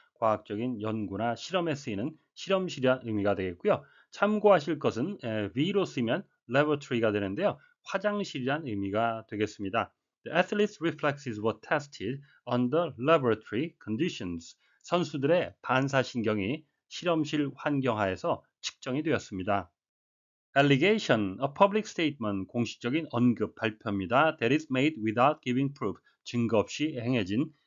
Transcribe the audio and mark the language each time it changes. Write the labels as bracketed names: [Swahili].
[Korean] 과학적인 연구나 실험에 쓰이는 실험실이라는 의미가 되겠고요. 참고하실 것은 V로 쓰면 laboratory가 되는데요. 화장실이라는 의미가 되겠습니다. [English] The athlete's reflexes were tested under laboratory conditions. [Korean] 선수들의 반사신경이 실험실 환경 하에서 측정이 되었습니다. [English] Allegation, a public statement, [Korean] 공식적인 언급, 발표입니다. [English] That is made without giving proof, [Korean] 증거 없이 행해진.